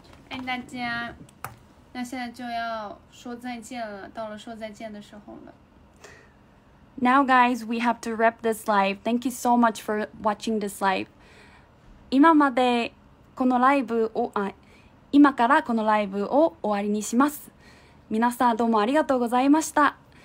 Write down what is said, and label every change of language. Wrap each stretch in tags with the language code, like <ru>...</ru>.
<zh>哎，大家，那现在就要说再见了，到了说再见的时候了。</zh> <en>Now, guys, we have to wrap this live. Thank you so much for watching this live.</en> <ja>今までこのライブを、あ、今からこのライブを終わりにします。皆さんどうもありがとうございました。</ja>